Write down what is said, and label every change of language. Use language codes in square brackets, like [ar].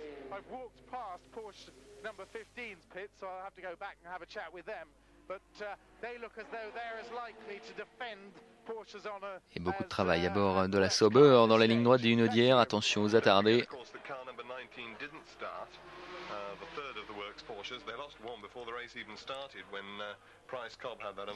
[en] I've walked past Porsche number 15's pit, so I'll have to go back and have a chat with them. But they look as though they're as likely to defend Porsche's honour. [fr] Et beaucoup de travail à bord de la Sauber dans la ligne droite du Hunaudière. Attention aux attardés. [en] Of course, the car number 19 didn't start. The third of the works Porsches, they lost one before the race even started when Price Cobb had that.